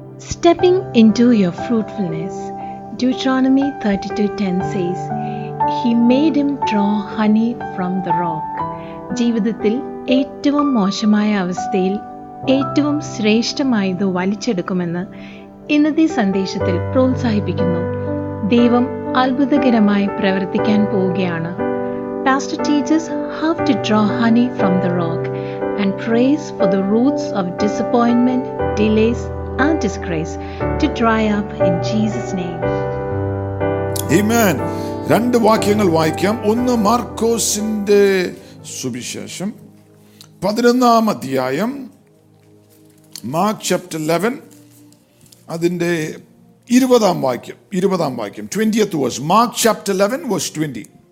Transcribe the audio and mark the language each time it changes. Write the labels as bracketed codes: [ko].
[en] Stepping into your fruitfulness, Deuteronomy 32:10 says, He made him draw honey from the rock. [ml] ജീവിതത്തിൽ ഏറ്റവും മോശമായ അവസ്ഥയിൽ ഏറ്റവും ശ്രേഷ്ഠമായത് വലിച്ചെടുക്കുമെന്ന് ഇന്നത്തെ സന്ദേശത്തിൽ പ്രോത്സാഹിപ്പിക്കുന്നു. ദൈവം അത്ഭുതകരമായി പ്രവർത്തിക്കാൻ പോവുകയാണ്. [en] Pastor teaches how to draw honey from the rock and prays for the roots of disappointment, delays, and disgrace to dry up in Jesus' name. [ml] Amen. രണ്ട് വാക്യങ്ങൾ വായിക്കാം. ഒന്ന് മാർക്കോസിന്റെ സുവിശേഷം 11 അധ്യായം, [en] Mark chapter 11, [ml] അതിന്റെ 20th verse. [en] 20th verse. Mark chapter 11 verse 20.